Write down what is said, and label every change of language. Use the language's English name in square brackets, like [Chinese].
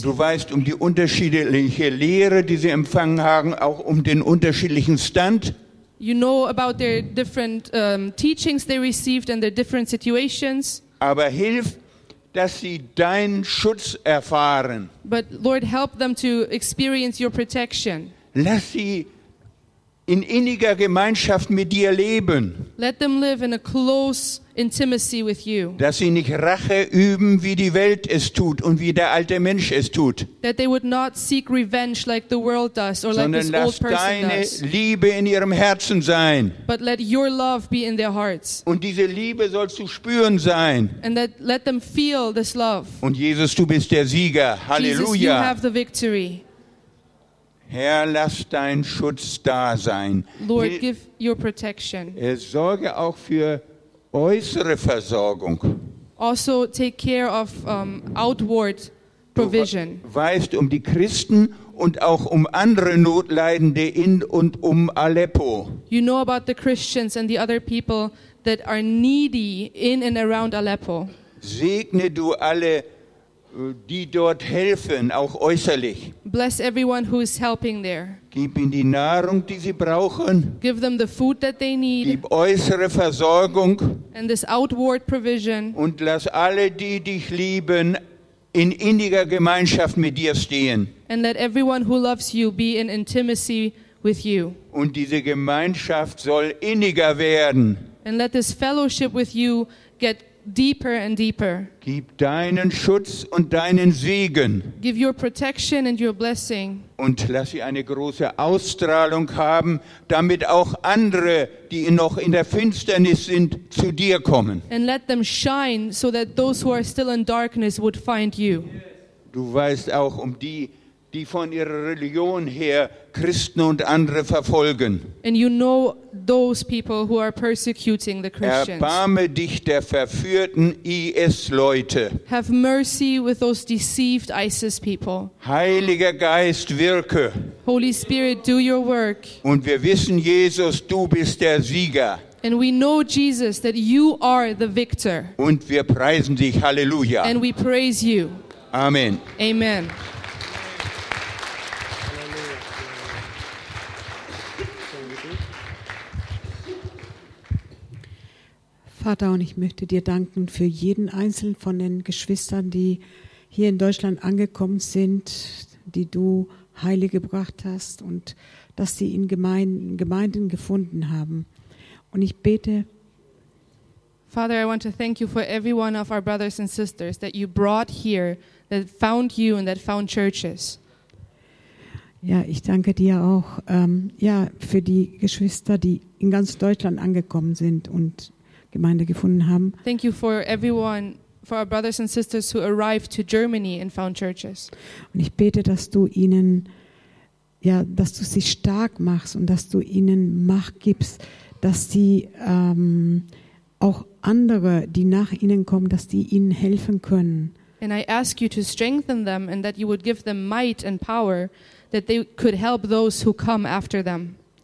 [German] Du weißt um die unterschiedliche Lehre, die sie empfangen haben, auch um den unterschiedlichen Stand. [English] You know about their different teachings they received and their different situations. [German] Aber hilf, dass sie deinen Schutz erfahren. [English] But Lord, help them to experience your protection. [German] Lass sie in inniger Gemeinschaft mit dir leben. [English] Let them live in a close intimacy with you. [German] Dass sie nicht Rache üben, wie die Welt es tut und wie der alte Mensch es tut. [English] That they would not seek revenge like the world does or like this old person does. [German] Sondern lass deine Liebe in ihrem Herzen sein. [English] But let your love be in their hearts. [German] Und diese Liebe soll zu spüren sein. [English] And that let them feel this love. [German] Und Jesus, du bist der Sieger. Halleluja. [English] Jesus, you have the victory. [German] Herr, lass dein Schutz da sein. [English] Lord, give your protection. [German] Er sorge auch für äußere Versorgung. [English] Also take care of outward provision. [German] Du weißt um die Christen und auch um andere Notleidende in und um Aleppo. [English] You know about the Christians and the other people that are needy in and around Aleppo. [German] Segne du alle, die dort helfen, auch äußerlich. [English] Bless everyone who is helping there. [German] Gib ihnen die Nahrung, die sie brauchen. [English] Give them the food that they need. [German] Gib äußere Versorgung. [English] And this outward provision. [German] Und lass alle, die dich lieben, in inniger Gemeinschaft mit dir stehen. [English] And let everyone who loves you be in intimacy with you. [German] Und diese Gemeinschaft soll inniger werden. [English] And let this fellowship with you get deeper and deeper. [German] Gib deinen Schutz und deinen Segen. [English] Give your protection and your blessing. [German] Und lass sie eine große Ausstrahlung haben, damit auch andere, die noch in der Finsternis sind, zu dir kommen. [English] And let them shine so that those who are still in darkness would find you. [German] Du weißt auch um die, die von ihrer Religion her Christen und andere verfolgen. [English] And you know those people who are persecuting the Christians. [German] Erbarme dich der verführten IS-Leute. [English] Have mercy with those deceived ISIS people. [German] Heiliger Geist, wirke. [English] Holy Spirit, do your work. [German] Und wir wissen, Jesus, du bist der Sieger. [English] And we know, Jesus, that you are the victor. [German] Und wir preisen dich, Halleluja. [English] And we praise you. Amen. Amen. [German] Vater, und ich möchte dir danken für jeden einzelnen von den Geschwistern, die hier in Deutschland angekommen sind, die du heile gebracht hast und dass sie in Gemeinden gefunden haben. Und ich bete, [English] Father, I want to thank you for every one of our brothers and sisters that you brought here, that found you and that found churches. [German] Ja, ich danke dir auch für die Geschwister, die in ganz Deutschland angekommen sind und Gemeinde gefunden haben. [English] Thank you for everyone, for our brothers and sisters who arrived to Germany and found churches. [German] Und ich bete, dass du ihnen, dass du sie stark machst und dass du ihnen Macht gibst, dass sie auch andere, die nach ihnen kommen, dass die ihnen helfen können. [English] And I ask you to strengthen them and that you would give them might and power, that they could help those who come after them.